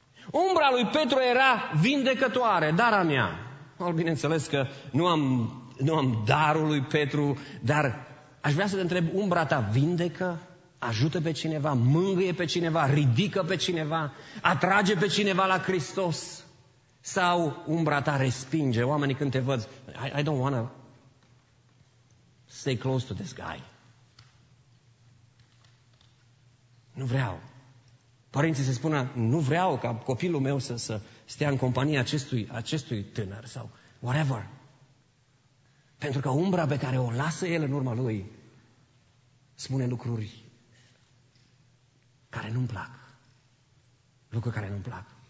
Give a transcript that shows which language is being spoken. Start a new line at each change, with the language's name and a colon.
Romanian: Umbra lui Petru era vindecătoare, dar a mea. Bineînțeles că nu am darul lui Petru, dar aș vrea să te întreb, umbra ta vindecă, ajută pe cineva, mângâie pe cineva, ridică pe cineva, atrage pe cineva la Hristos? Sau umbra ta respinge? Oamenii când te văd,
English: I don't want to stay close to this guy.
Romanian: Nu vreau. Părinții se spună, nu vreau ca copilul meu să stea în compania acestui tânăr sau whatever. Pentru că umbra pe care o lasă el în urma lui spune lucruri care nu-mi plac. Lucruri care nu-mi plac.